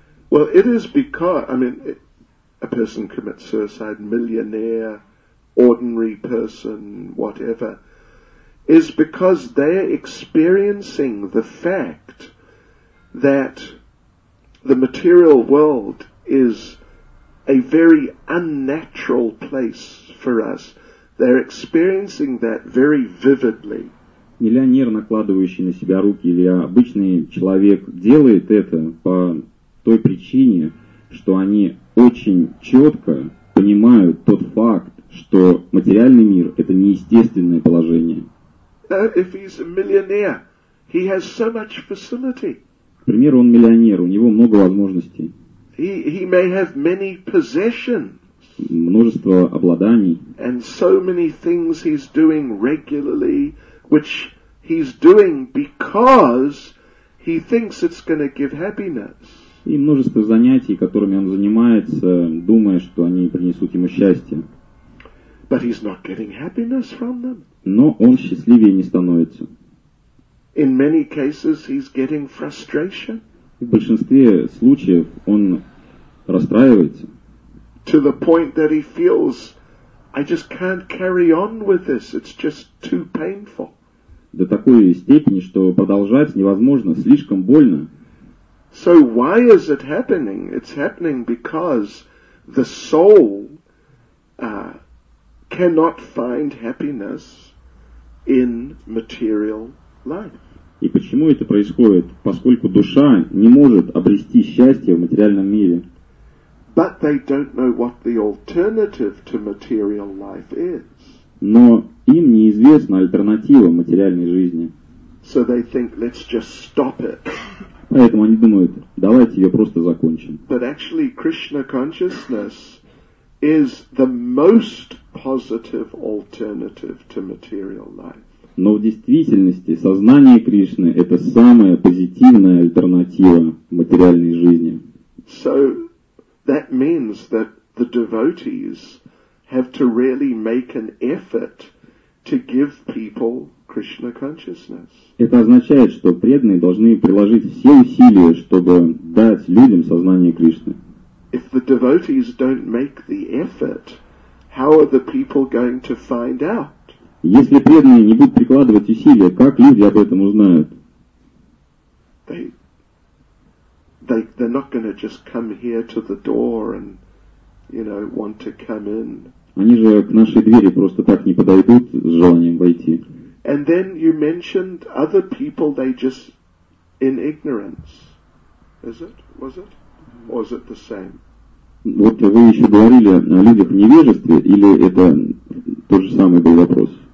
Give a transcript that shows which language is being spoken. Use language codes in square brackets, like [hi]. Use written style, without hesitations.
[en] Well, it is because a person commits suicide, millionaire, ordinary person, whatever, is because they are experiencing the fact that the material world is a very unnatural place for us. They're experiencing that very vividly. [ru] Миллионер, накладывающий на себя руки, или обычный человек, делает это по той причине, что они очень четко понимают тот факт, что материальный мир – это неестественное положение. [en] If he's a millionaire, he has so much facility. [ru] К примеру, он миллионер, у него много возможностей. [en] He may have many possessions. [ru] Множество обладаний. [en] And so many things he's doing regularly, which he's doing because he thinks it's going to give happiness. [ru] И множество занятий, которыми он занимается, думая, что они принесут ему счастье. [en] But he's not getting happiness from them. [ru] Но он счастливее не становится. [en] In many cases he's getting frustration. [ru] В большинстве случаев он расстраивается. [en] To the point that he feels, I just can't carry on with this, it's just too painful. [ru] До такой степени, что продолжать невозможно, слишком больно. [en] So why is it happening? It's happening because the soul cannot find happiness in material life. [ru] И почему это происходит? Поскольку душа не может обрести счастье в материальном мире. [en] But they don't know what the alternative to material life is. [ru] Но им неизвестна альтернатива материальной жизни. [en] So they think, let's just stop it. [ru] Поэтому они думают, давайте ее просто закончим. [en] But actually Krishna consciousness is the most positive alternative to material life. [ru] Но в действительности сознание Кришны – это самая позитивная альтернатива материальной жизни. [en] So that means that the devotees have to really make an effort to give people Krishna consciousness. [ru] Это означает, что преданные должны приложить все усилия, чтобы дать людям сознание Кришны. [en] If the devotees don't make the effort, how are the people going to find out? [ru] Если преданные не будут прикладывать усилия, как люди об этом узнают? [en] They're not going to just come here to the door and, you know, want to come in. [ru] Они же к нашей двери просто так не подойдут с желанием войти. [en] And then you mentioned other people, they just in ignorance. Is it? Was it? Or is it the same? [ru] Вот вы еще говорили о людях в невежестве, или это тот же самый был вопрос?